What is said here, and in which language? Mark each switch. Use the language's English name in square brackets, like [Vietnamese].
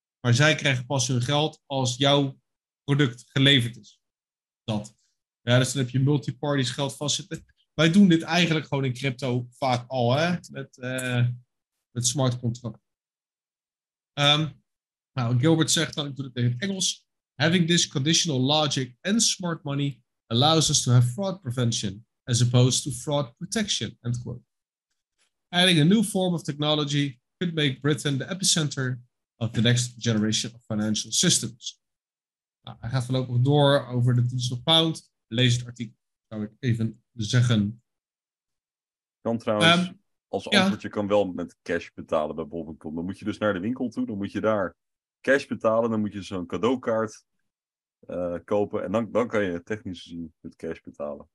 [Dutch] Maar zij krijgen pas hun geld als jouw product geleverd is. Dat. Ja, dus dan heb je multiparties geld vastzitten. Wij doen dit eigenlijk gewoon in crypto vaak al, hè? Met smart contracten. Nou, Gilbert zegt dan, ik doe het in het Engels. [English] Having this conditional logic and smart money allows us to have fraud prevention. As opposed to fraud protection, end quote. Adding a new form of technology could make Britain the epicenter of the next generation of financial systems. [Dutch] Nou, hij gaat voorlopig door over de digital pound. Lees het artikel, zou ik even zeggen. Kan trouwens, als antwoord, je kan wel met cash betalen bij Bol.com. Dan moet je dus naar de winkel toe, dan moet je daar cash betalen, dan moet je zo'n cadeaukaart kopen en dan kan je technisch gezien met cash betalen.